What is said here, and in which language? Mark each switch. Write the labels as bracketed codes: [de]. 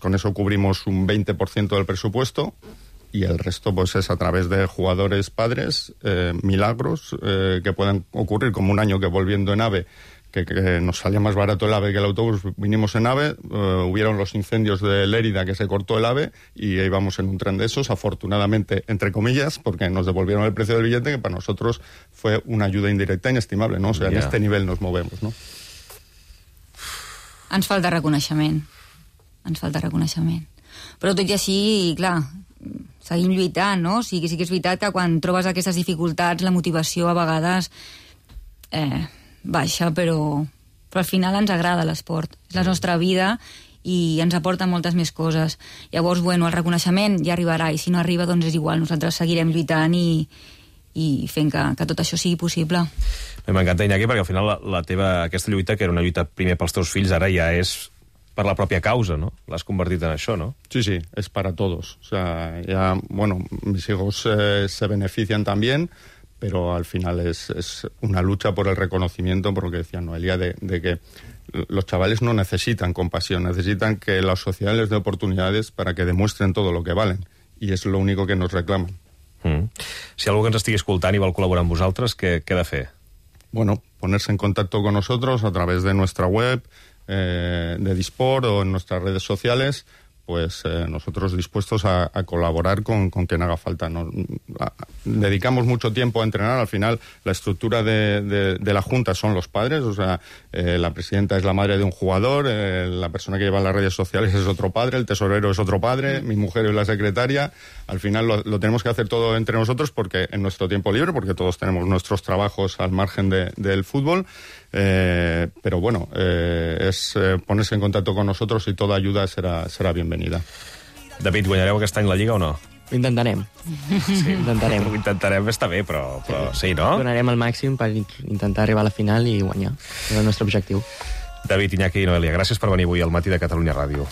[es] Con eso cubrimos un 20% del presupuesto y el resto pues es a través de jugadores padres, milagros que puedan ocurrir, como un año que volviendo en AVE, que nos salía más barato el AVE que el autobús, vinimos en AVE, hubieron los incendios de Lérida que se cortó el AVE y íbamos en un tren de esos, afortunadamente, entre comillas, porque nos devolvieron el precio del billete, que para nosotros fue una ayuda indirecta inestimable, ¿no? O sea, yeah. En este nivel nos movemos, ¿no? [ca] Ens falta reconeixement. Ens falta reconeixement. Però tot i així, clar, seguim lluitant, ¿no? O sigui, sí que és veritat que quan trobes aquestes dificultats, la motivació a vegades... baixa, però al final ens agrada l'esport, és la nostra vida i ens aporta moltes més coses. Llavors, bueno, el reconeixement ja arribarà i si no arriba, doncs és igual, nosaltres seguirem lluitant i fent que tot això sigui possible. M'encanta, Iñaki, perquè al final la teva, aquesta lluita, que era una lluita primer pels teus fills, ara ja és per la pròpia causa, no? L'has convertit en això, no? Sí, sí, és per a tots. [es] O sea, ya, bueno, mis hijos se benefician también, pero al final es una lucha por el reconocimiento, por lo que decía Noelia, de que los chavales no necesitan compasión, necesitan que la sociedad les dé oportunidades para que demuestren todo lo que valen, y es lo único que nos reclaman. Mm. [ca] Si algú que ens estigui escoltant i vol col·laborar amb vosaltres, què ha de fer? [es] Bueno, ponerse en contacto con nosotros a través de nuestra web, de Disport o en nuestras redes sociales, pues nosotros dispuestos a colaborar con quien haga falta. Dedicamos mucho tiempo a entrenar, al final la estructura de la junta son los padres, o sea, la presidenta es la madre de un jugador, la persona que lleva las redes sociales es otro padre, el tesorero es otro padre, mi mujer es la secretaria, al final lo tenemos que hacer todo entre nosotros porque en nuestro tiempo libre, porque todos tenemos nuestros trabajos al margen del fútbol, pero ponerse en contacto con nosotros y toda ayuda será bienvenida. [ca] David, ¿guanyareu aquest any la Lliga o no? Ho intentarem. Sí, intentarem. Ho intentarem, està bé, però sí, no? Donarem el màxim per intentar arribar a la final i guanyar. És el nostre objectiu. David, Iñaki i Noelia, gràcies per venir avui al Matí de Catalunya Ràdio.